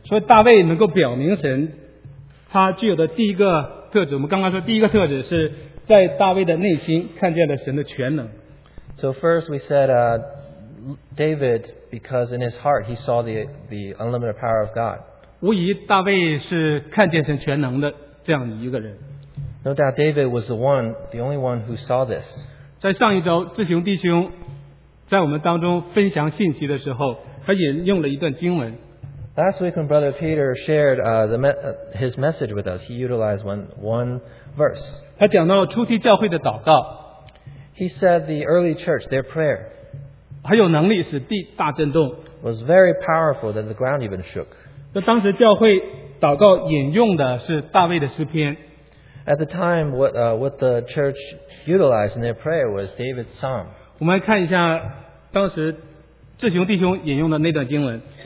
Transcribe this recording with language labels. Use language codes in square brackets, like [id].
[zh] 所以大卫能够表明神他具有的第一个特质，我们刚刚说第一个特质是在大卫的内心看见了神的全能。 [en] So first we said David, because in his heart he saw the unlimited power of God. [zh] 无疑大卫是看见神全能的这样一个人。 [en] No doubt David was the only one who saw this. [zh] 在上一周志雄弟兄在我们当中分享信息的时候，他引用了一段经文。 [en] Last week when Brother Peter shared his message with us, he utilized one verse. [zh] 他讲到初期教会的祷告。 [en] He said the early church, their prayer, [zh] 还有能力使地大震动。 [en] Was very powerful that the ground even shook. [zh] 那当时教会祷告引用的是大卫的诗篇。 [en] At the time, what the church utilized in their prayer was David's psalm. [zh] 我们来看一下当时志雄弟兄引用的那段经文。